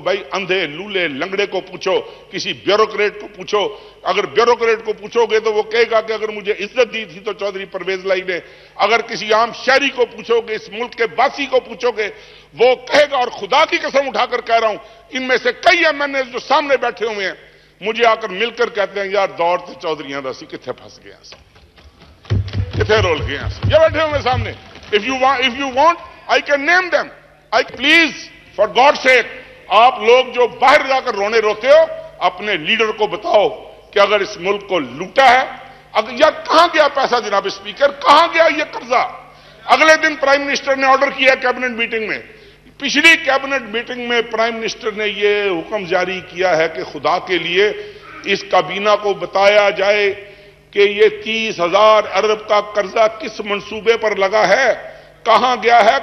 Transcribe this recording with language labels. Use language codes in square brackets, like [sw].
[ur] بھائی اندھے لولے لنگڑے کو پوچھو, کسی بیوروکریٹ کو پوچھو, اگر بیوروکریٹ کو پوچھو گے تو وہ کہے گا کہ اگر مجھے عزت دی تھی تو چودھری پرویز الہی نے, اگر کسی عام شہری کو پوچھو گے, اس ملک کے باسی کو پوچھو گے, وہ کہے گا. اور خدا کی قسم اٹھا کر کہہ رہا ہوں, ان میں سے کئی ایم این اے جو سامنے بیٹھے ہوئے ہیں مجھے آ کر مل کر کہتے ہیں یار دور تو چودھریاں دسی کتنے پھنس گیا, کتنے رول گیا, یہ بیٹھے ہوئے سامنے. [en] If you want I can name them. I please, for God's sake, [ur] آپ لوگ جو باہر جا کر رونے روتے ہو, اپنے لیڈر کو بتاؤ کہ اگر اس ملک کو لوٹا ہے, اگر یا کہاں گیا پیسہ جناب اسپیکر, کہاں گیا یہ قرضہ. اگلے دن پرائم منسٹر نے آرڈر کیا کیبنٹ میٹنگ میں, پچھلی کیبنٹ میٹنگ میں پرائم منسٹر نے یہ حکم جاری کیا ہے کہ خدا کے لیے اس کابینہ کو بتایا جائے کہ یہ 30,000 ارب کا قرضہ کس منصوبے پر لگا ہے, کہاں گیا ہے.